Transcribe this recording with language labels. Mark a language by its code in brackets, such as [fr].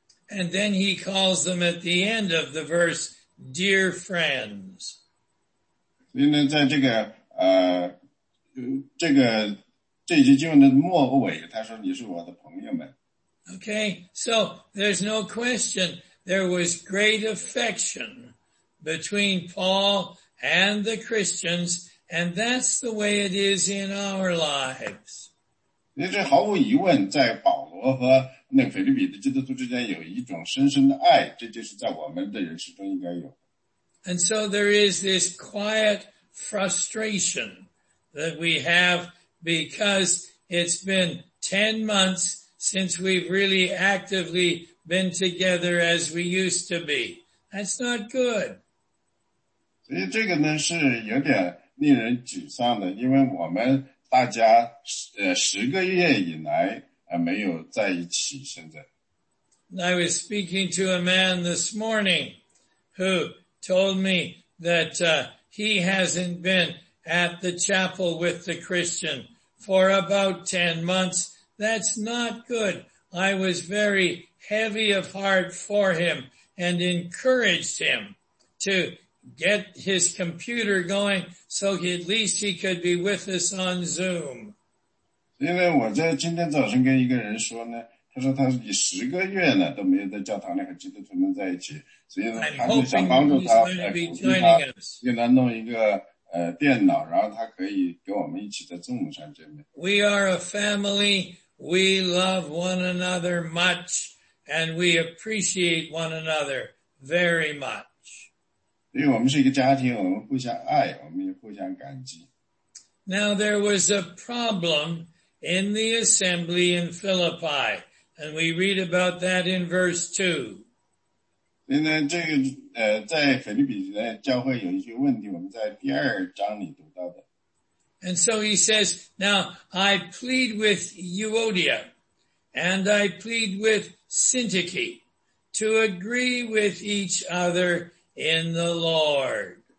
[en] And then he calls them at the end of the verse,Dear friends. [zh] 所以呢在这一节经文的末尾他说你是我的朋友们。 [en] Okay, so there's no question there was great affection between Paul and the Christians, and that's the way it is in our lives. [zh] 因为这毫无疑问在保罗和那个腓立比的基督徒之间有一种深深的爱，这就是在我们的人生中应该有。 [en] And so there is this quiet frustration that we have because it's been 10 months since we've really actively been together as we used to be. That's not good. [zh] 所以这个呢是有点令人沮丧的，因为我们大家十个月以来没有在一起现在。 [en] I was speaking to a man this morning who told me that he hasn't been at the chapel with the Christian for about 10 months. That's not good. I was very heavy of heart for him and encouraged him to get his computer going so at least he could be with us on Zoom. [zh] 因为我在今天早上跟一个人说呢，他说他已十个月呢都没有在教堂里和基督徒们在一起，所以呢他就想帮助他，给他弄一个电脑，然后他可以跟我们一起在Zoom上见面。 [en] We are a family, we love one another much, and we appreciate one another very much. [zh] 因为我们是一个家庭，我们互相爱，我们也互相感激。 [en] Now there was a problem in the assembly in Philippi. And we read about that in verse 2. [zh] 因为这个在腓立比的教会有一些问题，我们在第二章里读到的。 [en] And so he says, now I plead with Euodia and I plead with Syntyche to agree with each other in the Lord.